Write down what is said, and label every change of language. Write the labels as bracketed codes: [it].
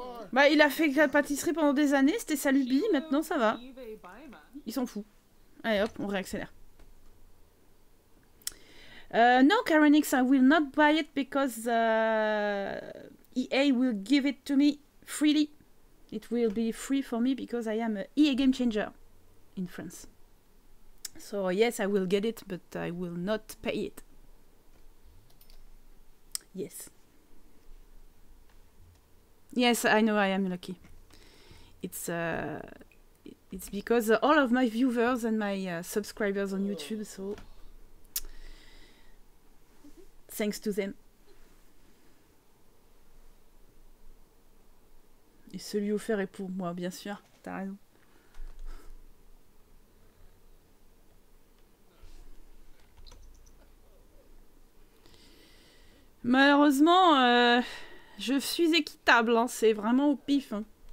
[fr] Bah, il a fait la pâtisserie pendant des années, c'était sa lubie, maintenant ça va. Il s'en fout. Allez, hop, on réaccélère. [en] No, Karenix, I will not buy it because EA will give it to me freely. It will be free for me because I am an EA game changer in France. So yes, I will get it, but I will not pay it. Yes. Yes, I know I am lucky. It's because all of my viewers and my subscribers on YouTube, so thanks to them. [fr] Et celui offert est pour moi, bien sûr, t'as raison. Malheureusement, je suis équitable, hein, c'est vraiment au pif. Hein.